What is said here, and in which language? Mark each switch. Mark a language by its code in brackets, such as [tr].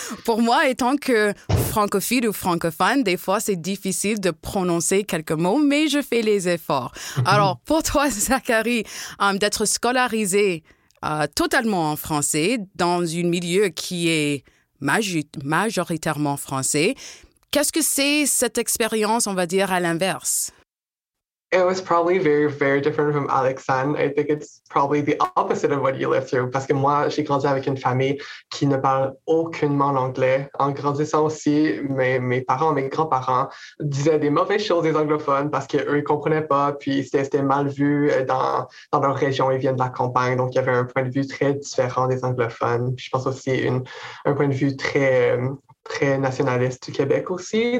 [fr] Pour moi, étant que francophile ou francophone, des fois, c'est difficile de prononcer quelques mots, mais je fais les efforts. Alors, pour toi, Zachary, d'être scolarisé totalement en français dans un milieu qui est majoritairement français, qu'est-ce que c'est cette expérience, on va dire, à l'inverse? [en] It was probably very, very different from Alexandre. I think it's probably the opposite of what you lived through. [fr] Parce que moi, j'ai grandi avec une famille qui ne parle aucunement l'anglais. En grandissant aussi, mes parents, mes grands-parents disaient des mauvaises choses des anglophones parce qu'eux, ils comprenaient pas. Puis c'était mal vu dans leur région. Ils viennent de la campagne. Donc, il y avait un point de vue très différent des anglophones. Puis je pense aussi un point de vue très, très nationaliste du Québec aussi.